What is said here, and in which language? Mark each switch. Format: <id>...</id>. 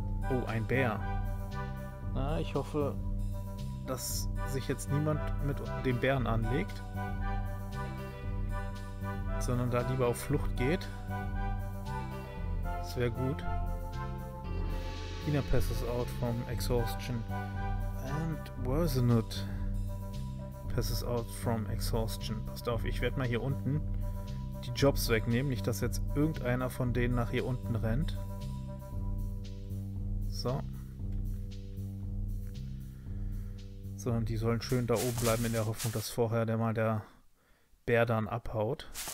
<de>Oh, ein Bär. Na, ich hoffe, dass sich jetzt niemand mit dem Bären anlegt. Sondern da lieber auf Flucht geht. Das wäre gut.</de> <en>Ina passes out from exhaustion. And Worsenut passes out from exhaustion.</en> <de>Passt auf, ich werde mal hier unten die Jobs wegnehmen. Nicht, dass jetzt irgendeiner von denen nach hier unten rennt. So. Sondern die sollen schön da oben bleiben in der Hoffnung, dass vorher der mal der Bär dann abhaut.</de>